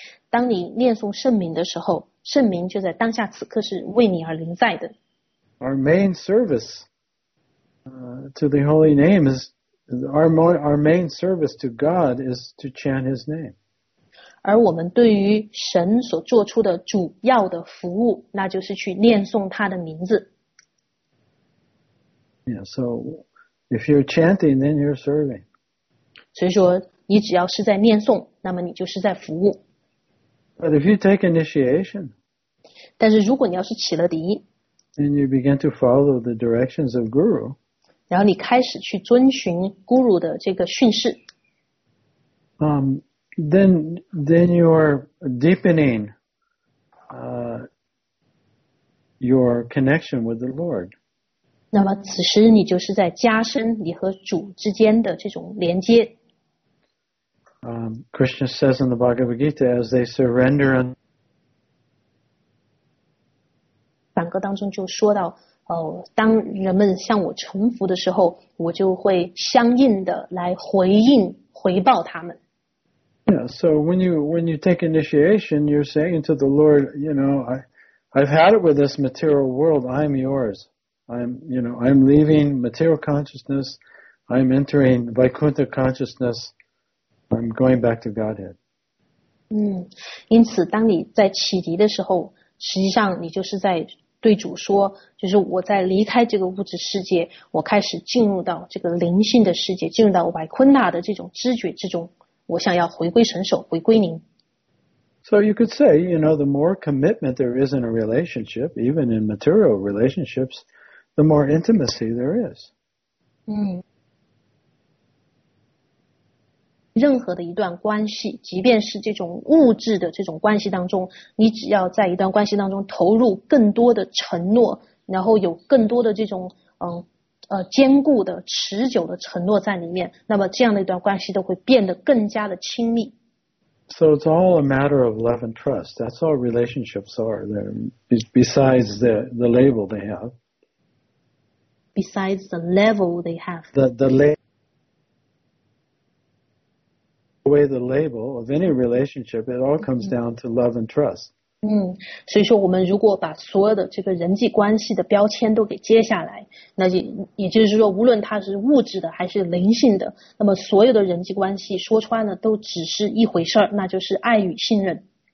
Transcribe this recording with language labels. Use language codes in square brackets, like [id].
[zh] 当你念诵圣名的时候，圣名就在当下此刻是为你而临在的。 [en] Our main service... to the holy name is our main service to God is to chant His name. [zh] 而我们对于神所做出的主要的服务，那就是去念诵他的名字。 [en] Yeah, so if you're chanting, then you're serving. [zh] 所以说，你只要是在念诵，那么你就是在服务。 [en] But if you take initiation, [zh] 但是如果你要是起了迪， [en] and you begin to follow the directions of Guru. [zh] 然后你开始去遵循 Guru 的这个训示。 [en] Then you are deepening, your connection with the Lord. [zh] 那么此时你就是在加深你和主之间的这种连接。 [en] Krishna says in the Bhagavad Gita, as they surrender. [zh] 梵歌当中就说到。当人们向我臣服的时候，我就会相应的来回应回报他们。 [en] Yeah, so when you take initiation, you're saying to the Lord, you know, I've had it with this material world. I'm yours. I'm leaving material consciousness. I'm entering Vaikuntha consciousness. I'm going back to Godhead. [zh] 因此当你在启迪的时候，实际上你就是在。对主说，就是我在离开这个物质世界，我开始进入到这个灵性的世界，进入到白坤纳的这种知觉之中，我想要回归神手，回归您。 [en] So you could say, you know, the more commitment there is in a relationship, even in material relationships, the more intimacy there is. [zh] 任何的一段关系，即便是这种物质的这种关系当中，你只要在一段关系当中投入更多的承诺，然后有更多的这种坚固的持久的承诺在里面，那么这样的一段关系都会变得更加的亲密。 [en] So it's all a matter of love and trust. That's all relationships are. Besides the level they have. Besides the level they have. The way the label of any relationship, it all comes down to love and trust. [zh] 所以说我们如果把所有的这个人际关系的标签都给揭下来，那也就是说无论它是物质的还是灵性的，那么所有的人际关系说穿了都只是一回事，那就是爱与信任。